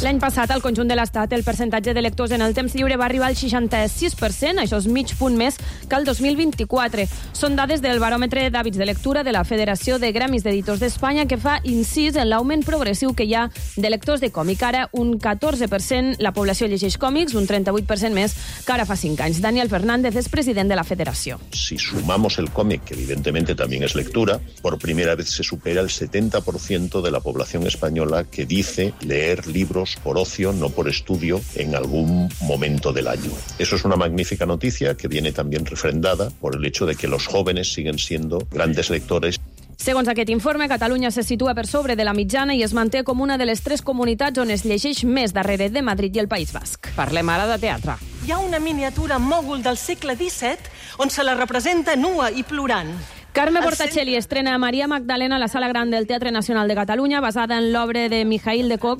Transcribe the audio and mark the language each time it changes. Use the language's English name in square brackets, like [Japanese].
[Catalan] L'any passat, al conjunt de l'Estat, el percentatge de lectors en el temps lliure va arribar al 66%, això és mig punt més que el 2024. Són dades del baròmetre d'hàbits de lectura de la Federació de Gremis d'Editors d'Espanya que fa incís en l'augment progressiu que hi ha de lectors de còmic. Ara, un 14% la població llegeix còmics, un 38% més que ara fa 5 anys. Daniel Fernández és president de la Federació. [Spanish] Si sumamos el còmic, que evidentemente también es lectura, por primera vez se supera el 70% de la población española que dice leer libros por ocio, no por estudio, en algún momento del año. Eso es una magnífica noticia que viene también refrendada por el hecho de que los jóvenes siguen siendo grandes lectores. [Catalan] Segons aquest informe, Catalunya se situa per sobre de la mitjana i es manté com una de les tres comunitats on es llegeix més, darrere de Madrid i el País Basc. Parlem ara de teatre. Hi ha una miniatura mògul del segle XVII on se la representa nua i plorant. Carme Portacelli estrena Maria Magdalena a la Sala Gran del Teatre Nacional de Catalunya, basada en l'obra de Mikhail de Kock.